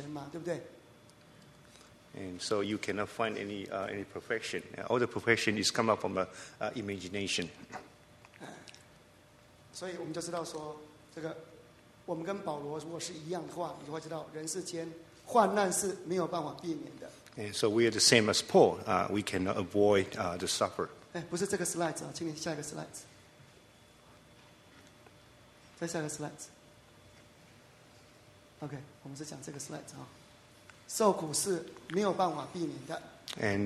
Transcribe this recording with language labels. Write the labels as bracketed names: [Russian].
[Chinese] 真的，人间，他就是让这个大自然就告诉你，没有一个正缘，这个正缘都是人做出来，想象要有，希望有一个正缘，以望人有阴晴嘛，月有阴晴圆缺，人有旦夕祸福，此事古难全嘛，对不对？And [English] so you cannot find any perfection. All the perfection is come up from a imagination. [Chinese] 所以我们就知道说，这个我们跟保罗如果是一样的话，你就会知道人世间。患难是没有办法避免的。And [English] so we are the same as Paul. We cannot avoid the suffer. [Chinese] 哎，不是这个 slide 啊，请你下一个 slide。再下一个 slide。Okay， 我们是讲这个 slide 啊。受苦是没有办法避免的。And